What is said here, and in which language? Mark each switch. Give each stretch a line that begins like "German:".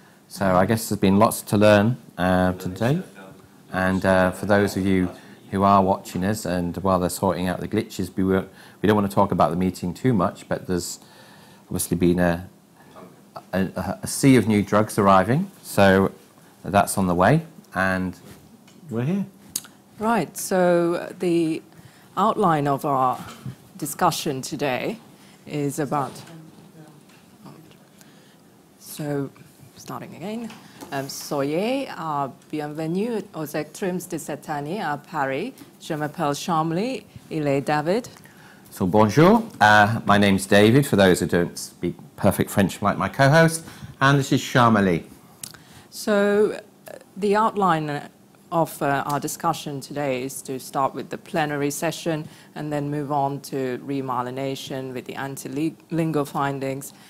English: So I guess there's been lots to learn today. And for those of you who are watching us, and while they're sorting out the glitches, we don't want to talk about the meeting too much, but there's obviously been a sea of new drugs arriving, so that's on the way, and we're here. Right, so the outline of our discussion today is about... So, starting again...
French: Soyez, bienvenue aux ECTRIMS de cette année à Paris. Je m'appelle Chamley, il est David.
English: So bonjour, my name's David, for those who don't speak perfect French like my co-host, and this is Chamley. So the outline of our discussion today is to start with the plenary session and then move on to remyelination with the anti-lingo findings